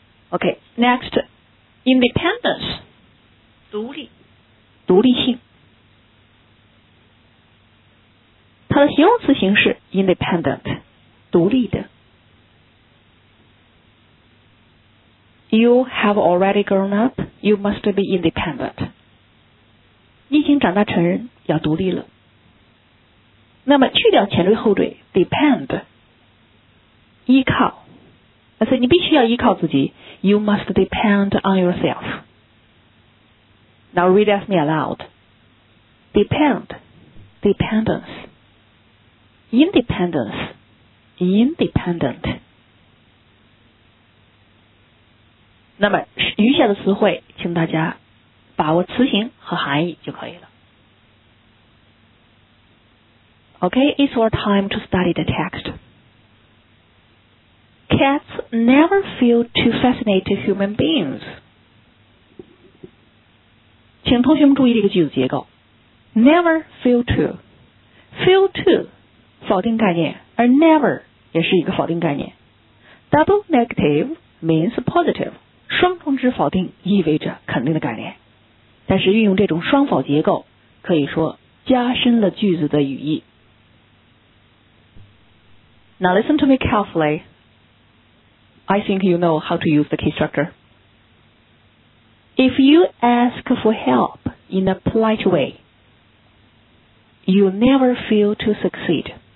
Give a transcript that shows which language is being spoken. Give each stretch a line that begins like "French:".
English: OK， next， independence，
Chinese: 独立，独立性。它的形容词形式 independent， 独立的。
English: You have already grown up， you must be independent，
Chinese: 你已经长大成人，要独立了。那么去掉前缀后缀 depend， 依靠，所以你必须要依靠自己，
English: you must depend on yourself。 Now read with me aloud， depend， dependence， independence， independent。
Chinese: 那么余下的词汇请大家把握词形和含义就可以了。
English: Okay, it's your time to study the text. Cats never feel too fascinated to human beings.
Chinese: 请同学们注意这个句子结构。
English: Never feel too.
Chinese: Feel too, 否定概念，而 never 也是一个否定概念。
English: Double negative means positive,
Chinese: 双重之否定意味着肯定的概念。但是运用这种双否结构，可以说加深了句子的语义。
English: Now listen to me carefully. I think you know how to use the key structure. If you ask for help in a polite way, you never fail to succeed.